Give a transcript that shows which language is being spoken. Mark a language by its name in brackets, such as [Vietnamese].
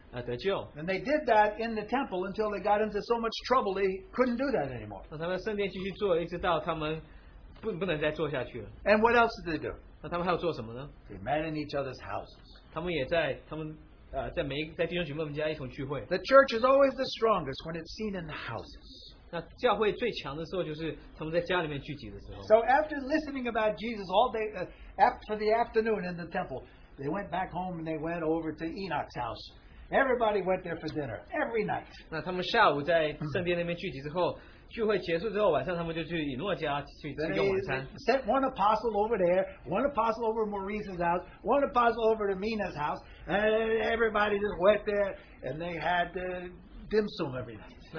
[English] and they did that in the temple until they got into so much trouble they couldn't do that anymore. [Chinese] 那他们圣殿继续做,一直到他们不能再做下去了。 [English] And what else did they do? [Chinese] 那他们还要做什么呢? [English] They met in each other's houses. [Chinese] 他们也在弟兄姐妹们家一同聚会。 [English] The church is always the strongest when it's seen in the houses. So after listening about Jesus all day for the afternoon in the temple, they went back home and they went over to Enoch's house. Everybody went there for dinner every night. [Chinese] 那他们下午在圣殿那边聚集之后, 聚会结束之后, 晚上他们就去以诺家去吃个晚餐。 [English] They sent one apostle over there, one apostle over to Maurice's house, one apostle over to Mina's house, and everybody just went there and they had dim sum every night.